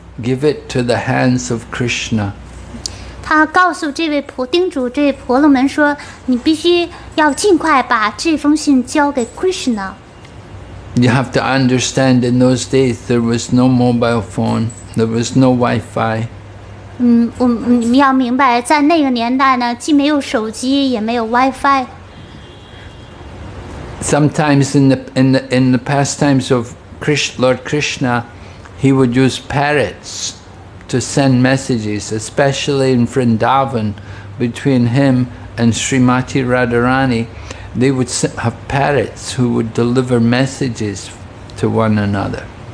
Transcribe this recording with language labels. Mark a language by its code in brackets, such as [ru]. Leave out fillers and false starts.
[en] Give it to the hands of Krishna. [zh] 她告诉这位婆罗门说，你必须要尽快把这封信交给Krishna。 [en] You have to understand, in those days there was no mobile phone, there was no Wi-Fi. [zh] 你们要明白，在那个年代呢，既没有手机，也没有Wi-Fi。 [en] Sometimes in the pastimes of Lord Krishna, he would use parrots to send messages, especially in Vrindavan, between him and Srimati Radharani. They would have parrots who would deliver messages to one another.